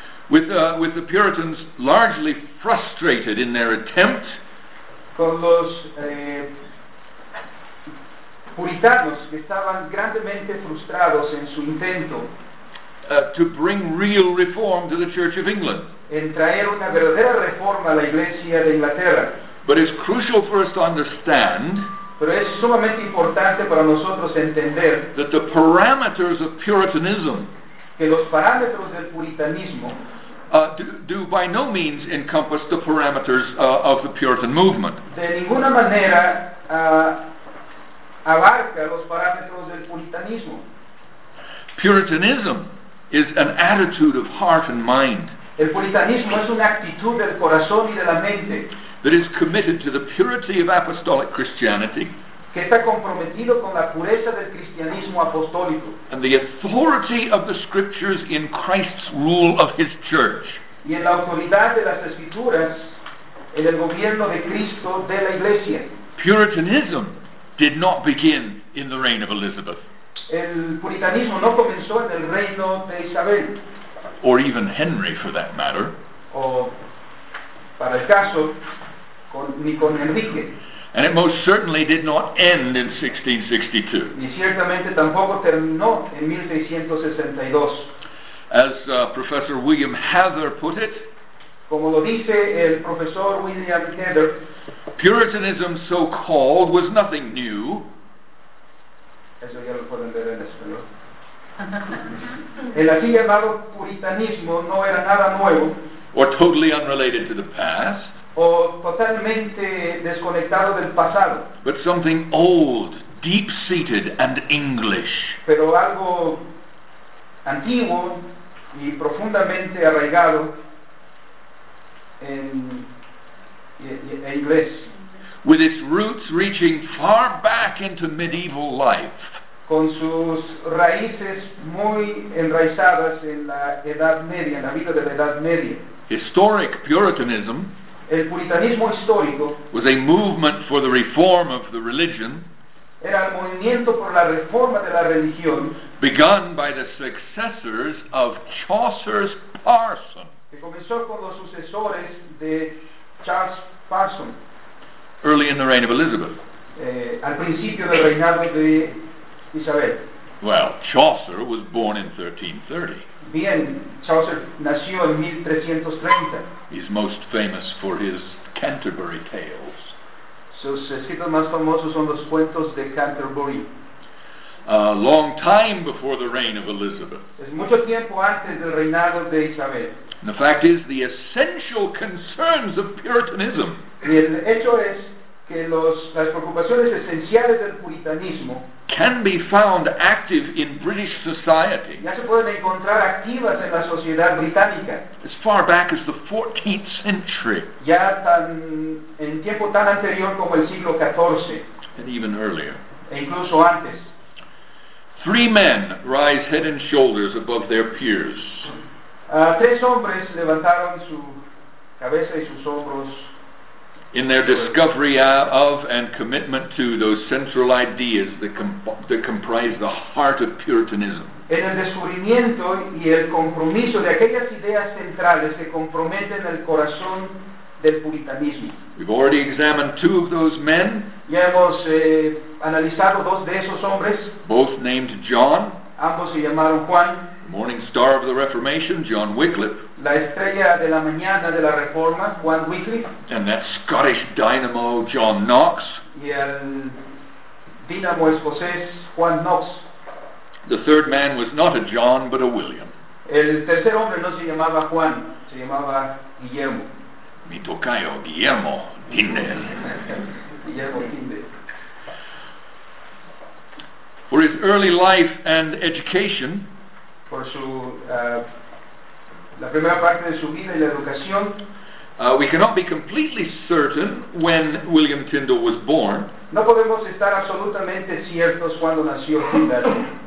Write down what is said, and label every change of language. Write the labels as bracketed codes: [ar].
[en] With the Puritans largely frustrated in their attempt, [es] con los puritanos que estaban grandemente frustrados en su intento [en] to bring real reform to the Church of England, [es] en traer una verdadera reforma a la Iglesia de Inglaterra. [en] But it's crucial for us to understand. [es] Pero es sumamente importante para nosotros entender [en] that the parameters of Puritanism, [es] que los parámetros del puritanismo, [en] do by no means encompass the parameters of the Puritan movement. [es] De ninguna manera abarca los parámetros del puritanismo. [en] Puritanism is an attitude of heart and mind. [es] El puritanismo es una actitud del corazón y de la mente. [en] That is committed to the purity of apostolic Christianity. [es] Que está comprometido con la pureza del cristianismo apostólico. [en] And the authority of the scriptures in Christ's rule of his church. [es] Y en la autoridad de las escrituras en el gobierno de Cristo de la iglesia. [en] Puritanism did not begin in the reign of Elizabeth. [es] El puritanismo no comenzó en el reino de Isabel. [en] Or even Henry, for that matter. [es] O para el caso, ni con Enrique. [en] And it most certainly did not end in 1662. [es] Ni ciertamente tampoco terminó en 1662. [en] As Professor William Heather put it, [es] como lo dice el profesor William Heather, [en] Puritanism, so called, was nothing new. [es] Eso ya lo pueden ver en español. El así llamado puritanismo no era nada nuevo. [en] Or totally unrelated to the past. [es] O totalmente desconectado del pasado. [en] But something old, deep-seated, and English. [es] Pero algo antiguo y profundamente arraigado en inglés. [en] With its roots reaching far back into medieval life. [es] Con sus raíces muy enraizadas en la Edad Media, en la vida de la Edad Media. [en] Historic Puritanism. [es] El puritanismo histórico [en] was a movement for the reform of the religion. [es] Era el movimiento por la reforma de la religión. [en] Begun by the successors of Chaucer's Parson. [es] Que comenzó con los sucesores de Charles Parson. [en] Early in the reign of Elizabeth. [es] Al principio del reinado de Isabel. [en] Well, Chaucer was born in 1330. [es] Bien, Chaucer nació en 1330. [en] He's most famous for his Canterbury Tales. [es] Sus escritos más famosos son los cuentos de Canterbury. [en] A long time before the reign of Elizabeth. [es] Es mucho tiempo antes del reinado de Isabel. [en] And the fact is, the essential concerns of Puritanism. [es] Y el hecho es que las preocupaciones esenciales del puritanismo [en] can be found active in British society. [es] Ya se pueden encontrar activas en la sociedad británica. [en] As far back as the 14th century. [es] Ya en tiempo tan anterior como el siglo XIV. [en] And even earlier. [es] E incluso antes. [en] Three men rise head and shoulders above their peers. [es] Tres hombres levantaron su cabeza y sus hombros. [en] In their discovery of and commitment to those central ideas that comprise the heart of Puritanism. [es] En el descubrimiento y el compromiso de aquellas ideas centrales que comprometen el corazón del puritanismo. [en] We've already examined two of those men. [es] Ya hemos analizado dos de esos hombres. [en] Both named John. [es] Ambos se llamaron Juan. [en] The morning star of the Reformation, John Wycliffe. [es] La estrella de la mañana de la Reforma, Juan Wycliffe. [en] And that Scottish dynamo, John Knox. [es] Y el dinamo escocés, Juan Knox. [en] The third man was not a John, but a William. [es] El tercer hombre no se llamaba Juan, se llamaba Guillermo. Mi tocayo, Guillermo Tindel. Guillermo Tindel. [en] For his early life and education, [es] por su la primera parte de su vida y la educación, [en] We cannot be completely certain when William Tyndale was born. [es] No podemos estar absolutamente ciertos cuando nació Tyndale.